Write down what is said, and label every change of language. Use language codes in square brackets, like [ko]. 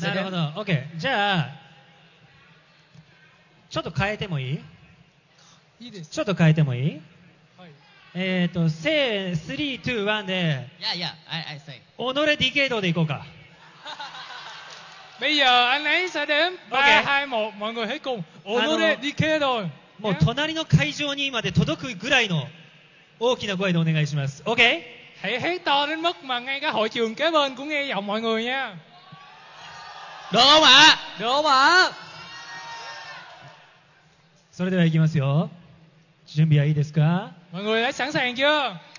[ja] なるほど、OK、じゃあちょっと変えてもいい？いいです。ちょっと変えてもいい？はい。せー、スリー、ツー、ワンで。いやいや、はいはい、せー。オノレディケードで行こうか。 [vi] Bây giờ anh ấy sẽ đếm ba hai một, mọi người hãy cùng オノレディケード。 [ja] もう隣の会場にまで届くぐらいの大きな声でお願いします。 [en] OK? [vi] Hãy hét to đến mức mà ngay cả hội trường kế bên cũng nghe giọng mọi người nha. Được không ạ? Được không ạ? [ja] それでは行きますよ。準備はいいですか? [vi] Mọi người đã sẵn sàng chưa?